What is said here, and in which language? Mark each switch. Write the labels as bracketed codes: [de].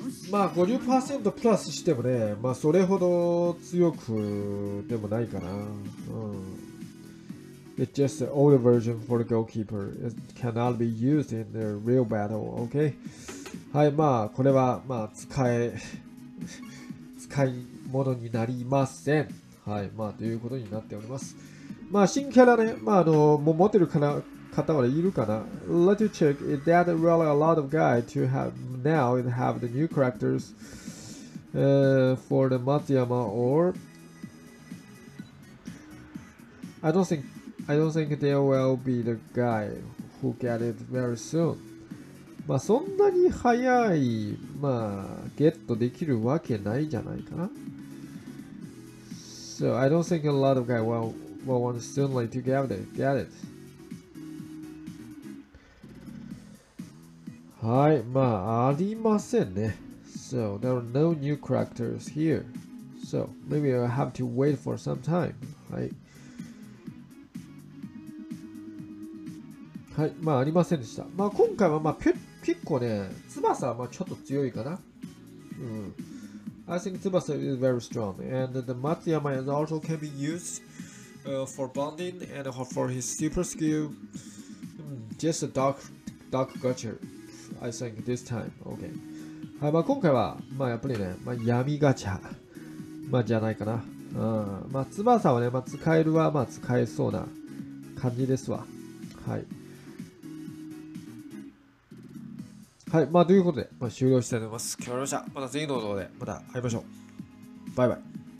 [ja] まあ 50% プラスしてもね、まあそれほど強くでもないかな。 [en] うん、It's just the old version for the goalkeeper. It cannot be used in the real battle, okay? [ja] はい、まあこれはまあ使い物になりません。はい、まあということになっております。まあ新キャラね、まああのもう持ってるかな方はいるかな。 [en] Let you check is that really a lot of guys to have now and have the new characters、for the Matsuyama or I don't think there will be the guy who get it very soon [ja] まあそんなに早い、まあゲットできるわけないじゃないかな。 [en] So I don't think a lot of guys will want soon like to get it. [ja] はい、まあありませんね。 [en] So there are no new characters here. So maybe I have to wait for some time. [ja] はい。はい、まあありませんでした。まあ今回はまあ結構ね、翼はまあちょっと強いかな。 [en] うん。I think 翼 is very strong. And the Matsuyama is also can be used、for bonding and for his super skill.、just a dark gacha, I think this time. Okay. [ja] はい、まあ今回はまあやっぱりね、まあ闇ガチャ、まあじゃないかな。うん。まあ翼はね、まあ使えるはまあ使えそうな感じですわ。はい。はい、まあということで、まあ、終了したいと思います。今日はまた次の動画でまた会いましょう。バイバイ。